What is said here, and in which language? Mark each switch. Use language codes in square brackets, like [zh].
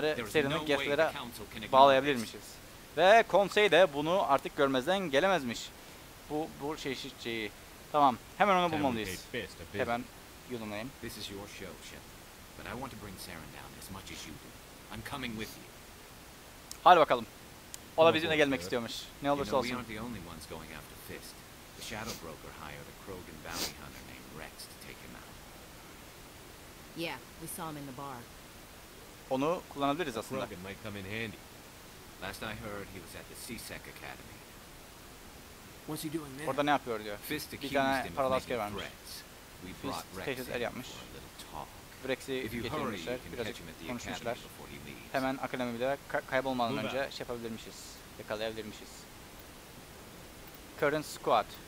[tr] Seren'i Geth'lere bağlayabilirmişiz. Ve konsey de bunu artık görmezden gelemezmiş. Bu çeşit şeyi. Tamam, hemen onu bulmalıyız. Hemen yudumlayayım. [en] This is your show, Shep. But I want to bring Seren down as much as you do. I'm coming with you. [tr] Hadi bakalım. O da bizimle gelmek istiyormuş. Ne olursa olsun. [en] We aren't the only ones going after Fist. The Shadow Broker hired a Krogan bounty hunter named Rex to take him out. Yeah, we saw him in the bar. [tr] Onu kullanabiliriz aslında. [en] Krogan might come in handy. Last I heard, he was at the CSEC Academy. What's he doing there? [tr] Orada ne yapıyor diyor. [en] Fist accused him of making threats. We brought Rex in for a little talk. [tr] Rex'i getirmişler, birazcık konuşmuşlar. Hemen akademide kaybolmadan önce şey yapabilirmişiz, yakalayabilirmişiz. [en] Current squad.